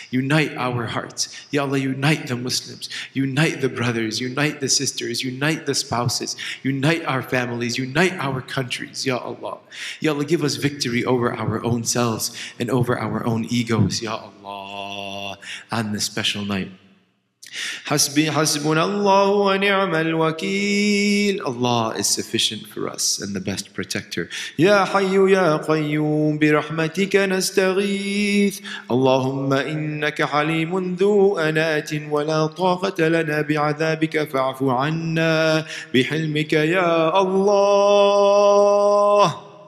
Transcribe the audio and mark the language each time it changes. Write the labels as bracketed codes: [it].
[en] Unite our hearts. Ya Allah, unite the Muslims. Unite the brothers. Unite the sisters. Unite the spouses. Unite our families. Unite our countries, Ya Allah. Ya Allah, give us victory over our own selves and over our own egos, Ya Allah, on this special night. [ar] حسبي حسبنا الله ونعم الوكيل. [en] Allah is sufficient for us and the best protector. [ar] يا حي يا قيوم برحمتك نستغيث. اللهم إنك حليم ذو أنات ولا طاقة لنا بعذابك فاعف عنا بحلمك يا الله.